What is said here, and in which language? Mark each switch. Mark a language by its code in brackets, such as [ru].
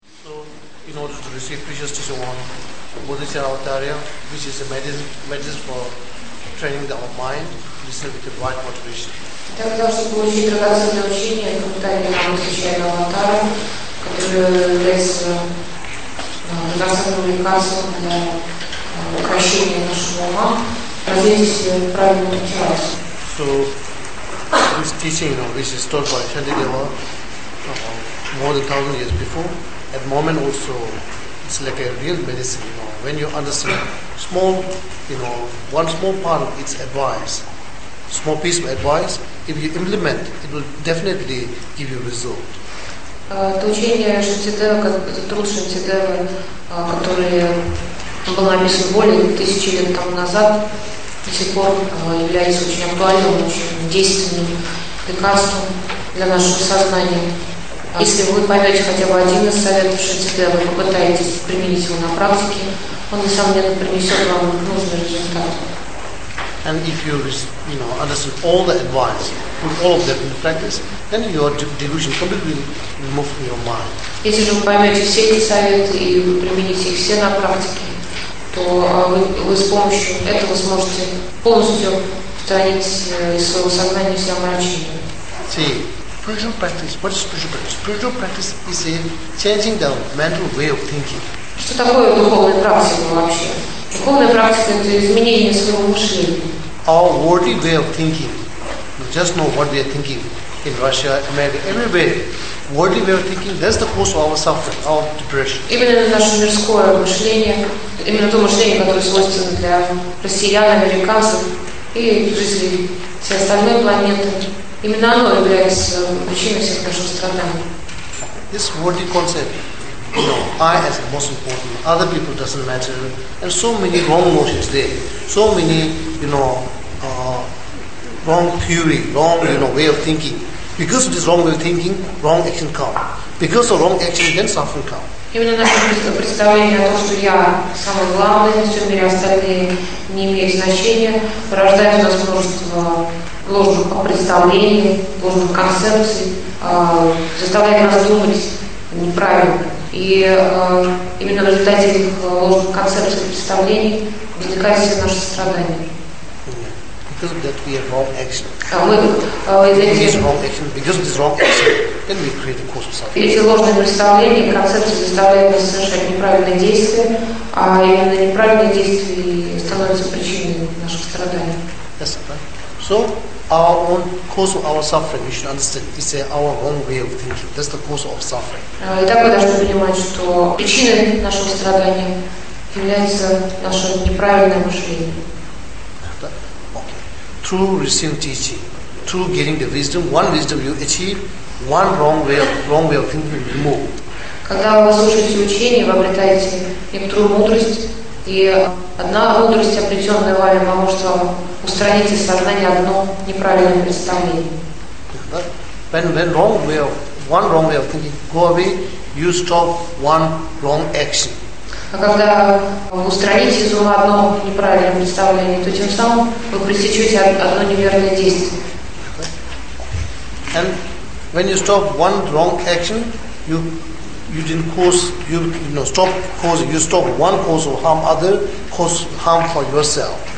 [en] in order to receive precious teacher one, Bodhisattva Avatarya, which is a medicine for training our mind, listen with the right motivation. [ru] Так нас получить прекрасное учение, испытание нам священного аватара, который является драгоценным лекарством для укрощения нашего ума. Развейтесь правильно началось. [en] So this teaching, you know, which is taught by Shantideva more than 1,000 years before, at the moment also it's like a real medicine, you know. When you understand small, you know, one small part of its advice, small piece of advice, if you implement, it will definitely give you result. [ru] Учение Шантидева, труд Шантидева, который был написан более 1000 лет тому назад, до сих пор является очень актуальным, очень действенным лекарством для нашего сознания. Если вы поймете хотя бы один из советов Шантидева, попытаетесь применить его на практике, он, несомненно, принесет вам нужный результат. [en] And if you, you know, understand all the advice, put all of them into practice, then your delusion completely removed from your mind. [ru] Если вы поймете все эти советы и примените их все на практике, то вы с помощью этого сможете полностью устранить из своего сознания все омрачения. [en] See, spiritual practice. What is spiritual practice? Spiritual practice is a changing the mental way of thinking. [ru] Что такое духовная практика вообще? Духовная практика — это изменение своего мышления. [en] Our worldly way of thinking, we just know what we are thinking in Russia, America, everywhere. Worldly way of thinking, that's the cause of our suffering, our depression. [ru] Именно наше мирское мышление, именно то мышление, которое свойственно для россиян, американцев и жителей всей остальной планеты, именно оно является причиной всех наших страданий. [en] This worldly concept, you know, I as the most important, other people doesn't matter, and so many wrong emotions there, so many, you know, wrong theory, wrong, you know, way of thinking. Because of this wrong way of thinking, wrong action come. Because of wrong action, then suffering come. [ru] Именно наше представление о том, что я самый главный, в всем мире остальные не имеют значения, порождает у нас множество ложных представлений, ложных концепций, заставляет нас думать неправильно. И именно в результате этих ложных концепций и представлений возникает все наше страдание. [en] Because of that, we have wrong action. Because of this wrong action, then we create a cause of suffering. [ru] Эти ложные представления, концепции заставляют нас совершать неправильные действия, а именно неправильные действия становятся причиной наших страданий. [en] Yes, right. So our own cause of our suffering, we should understand, is our wrong way of thinking. That's the cause of suffering. [ru] Итак, мы должны понимать, что причиной нашего страдания является наше неправильное мышление. [en] Through receiving teaching, through getting the wisdom, one wisdom you achieve, one wrong way of thinking removed. [ru] Когда вы слушаете учение, вы обретаете некоторую мудрость, и одна мудрость, обретенная вами, поможет вам устранить из сознания одно неправильное представление. [en] When one wrong way of thinking go away, you stop one wrong action. [ru] А когда вы устраните из ума одно неправильное представление, то тем самым вы пресечете одно неверное действие. [en] And when you stop one wrong action, you stop one cause of harm, other cause harm for yourself.